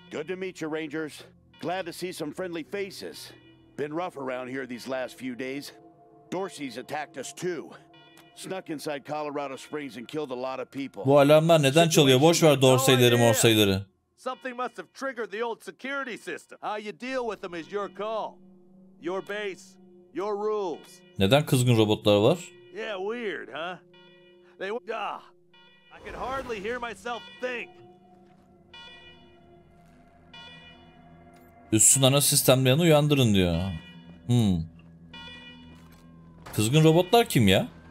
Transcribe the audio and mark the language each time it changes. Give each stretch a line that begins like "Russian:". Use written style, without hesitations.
English: Good to meet you, Rangers. Glad to see some friendly faces. Been rough around here these last few days. Dorsey's attacked us too. Snuck inside Colorado Springs and killed a lot of people.
Turkish: Bu alarmlar neden çalıyor? Boş ver Dorsey'leri, Morsey'leri.
English: Something must have triggered the old security system. How you deal with them is your call. Your base, your rules.
Turkish: Neden kızgın robotlar var?
English: Yeah, weird, huh? They ah. I can hardly hear myself think.
Turkish: Üstün ana sistemlerini uyandırın diyor. Hmm. Kızgın robotlar kim ya?